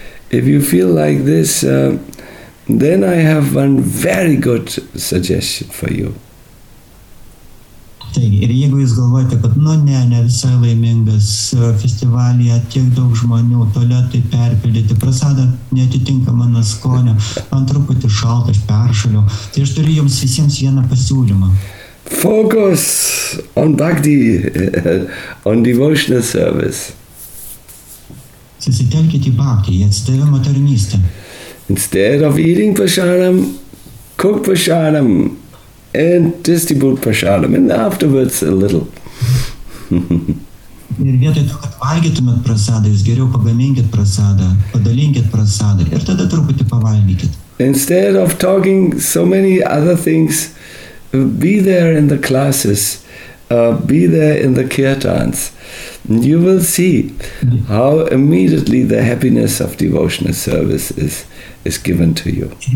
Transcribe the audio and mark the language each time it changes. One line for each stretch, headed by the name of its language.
English: If you feel like this, then I have one very good suggestion for you.
Lithuanian: Taigi, ir jeigu jūs galvojate, kad nu ne visai laimingas festivalyje, tiek daug žmonių, tualetai perpildyti, prasada netitinka mano skonio, man truputį šalta, aš peršaliu, tai aš turiu jums visiems vieną pasiūlymą.
English: Focus on bhakti, on devotional service.
Lithuanian: Susitelkit į bhakti, į atsidavimo tarnystę.
English: Instead of eating prasadam, cook prasadam and distribute prasadam, and afterwards a little.
Lithuanian: Ir vietoj to, kad valgytumėt prasadą, jūs geriau pagaminkit prasadą, padalinkit prasadą ir tada truputį pavalgykit.
English: Instead of talking so many other things, be there in the classes, be there in the kirtans. You will see how immediately the happiness of devotional service is given to you.